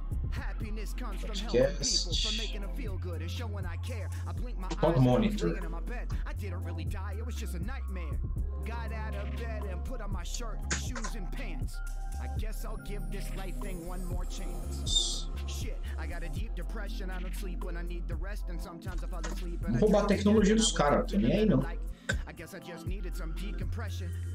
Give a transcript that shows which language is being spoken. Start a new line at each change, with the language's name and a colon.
English: Happiness comes from helping people, from making them feel good, and showing I care. I blink my eyes, I'm laying in my bed. I didn't really die, it was just a nightmare. Got out of bed and put on my shirt, shoes and pants. I guess I'll give this life thing one more chance. Shit, I got a deep depression, I don't sleep when I need the rest, and sometimes I fall asleep.
Portuguese: Vou roubar a tecnologia dos caras, tem nem aí não.
English: I guess I just needed some decompression.